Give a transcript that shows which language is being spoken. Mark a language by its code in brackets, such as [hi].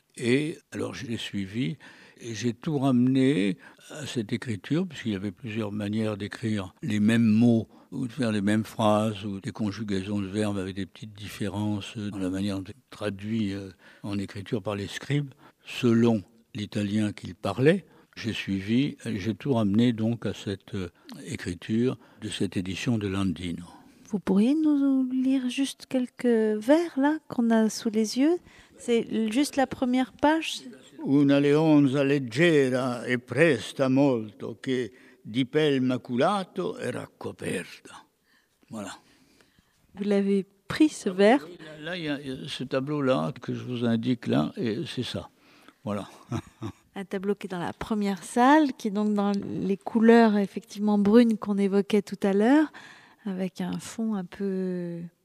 [fr] Et alors je l'ai suivi et j'ai tout ramené à cette écriture, puisqu'il y avait plusieurs manières d'écrire les mêmes mots ou de faire les mêmes phrases ou des conjugaisons de verbes avec des petites différences dans la manière de traduire en écriture par les scribes selon l'italien qu'il parlait. J'ai suivi, j'ai tout ramené donc à cette écriture de cette édition de Landino. Vous pourriez nous lire juste quelques vers là qu'on a sous les yeux ? C'est juste la première page. [it] Una leonza leggera e presta molto che di pel maculato era coperta. [fr] Voilà. Vous l'avez pris ce vers ? Là, il y a ce tableau-là que je vous indique là, et c'est ça. Voilà. Un tableau qui est dans la première salle, qui est donc dans les couleurs effectivement brunes qu'on évoquait tout à l'heure, avec un fond un peu...